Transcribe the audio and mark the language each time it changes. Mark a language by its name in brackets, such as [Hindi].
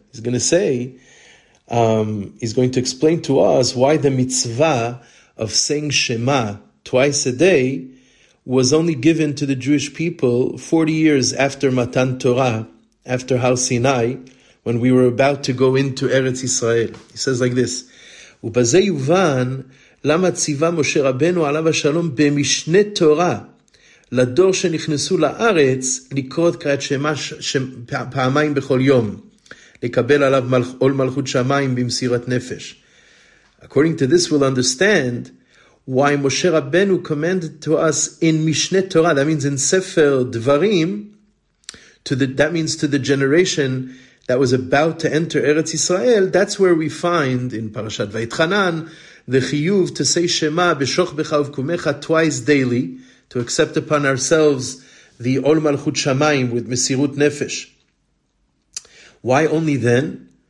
[English] He's going to say, he's going to explain to us why the mitzvah of saying Shema twice a day was only given to the Jewish people 40 years after Matan Torah, after Har Sinai, when we were about to go into Eretz Yisrael. He says like this, [Hebrew] ובזה יובן למה ציווה משה רבנו עליו השלום במשנה תורה לדור שנכנסו לארץ לקרוא את קריאת שמה פעמיים בכל יום, לקבל עליו עול מלכות שמיים במסירת נפש. [English] According to this we'll understand why Moshe Rabbeinu commanded to us in Mishne Torah, that means in Sefer Dvarim, that means to the generation that was about to enter Eretz Yisrael, that's where we find in Parashat Vayitchanan the chiyuv to say Shema b'shoch b'cha uv'kumecha twice daily, to accept upon ourselves the Ol Malchut Shamayim with Mesirut Nefesh. Why only then?